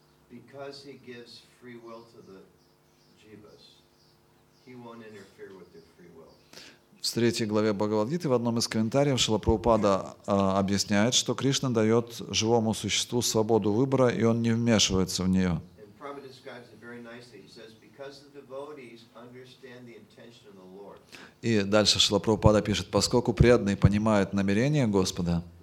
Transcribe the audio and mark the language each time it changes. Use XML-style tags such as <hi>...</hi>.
<en>Because he gives free will to the jivas, he won't interfere with their free will.</en> <ru>В третьей главе Бхагавад-гиты в одном из комментариев Шрила Прабхупада объясняет, что Кришна дает живому существу свободу выбора, и он не вмешивается в нее.</ru> <en>And Prabhupada describes it very nicely. He says, because the devotees understand the intention of the Lord.</en> <ru>И дальше Шрила Прабхупада пишет, поскольку преданные понимают намерение Господа.</ru>